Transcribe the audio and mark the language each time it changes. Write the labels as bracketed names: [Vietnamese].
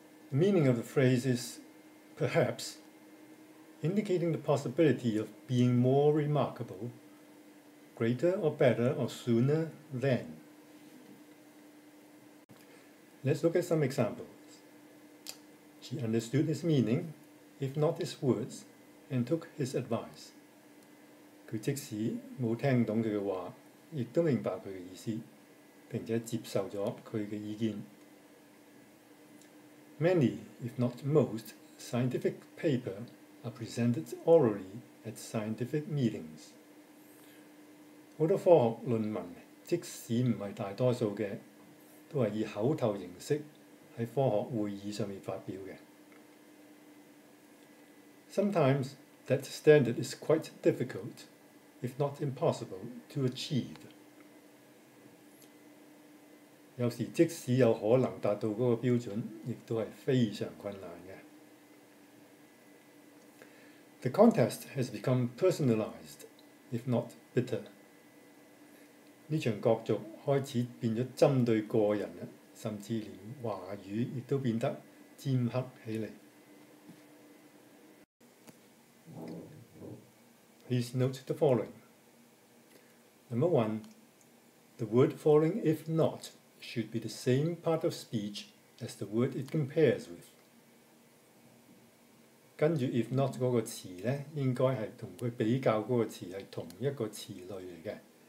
[English] The meaning of the phrase is perhaps, indicating the possibility of being more remarkable, greater or better or sooner than. Let's look at some examples. She understood his meaning, if not his words, and took his advice. [Cantonese] 她即使沒有聽懂他的話，亦都明白他的意思，並且接受了他的意見。 [English] Many, if not most, scientific papers are presented orally at scientific meetings. [Cantonese] 很多科學論文，即使不是大多數的都是以口頭形式在科學會議上面發表的。 [English] Sometimes that standard is quite difficult, if not impossible, to achieve. [Cantonese] 有時即使有可能達到那個標準，亦都是非常困難的。 [English] The contest has become personalized, if not bitter. [Cantonese] 這場角逐開始變成針對個人，甚至連話語也都變得尖刻起來。 [English] Please note the following. Number one, the word following if not should be the same part of speech as the word it compares with. [Cantonese] 跟著 if not 那個詞呢，應該是跟它比較那個詞是同一個詞類來的。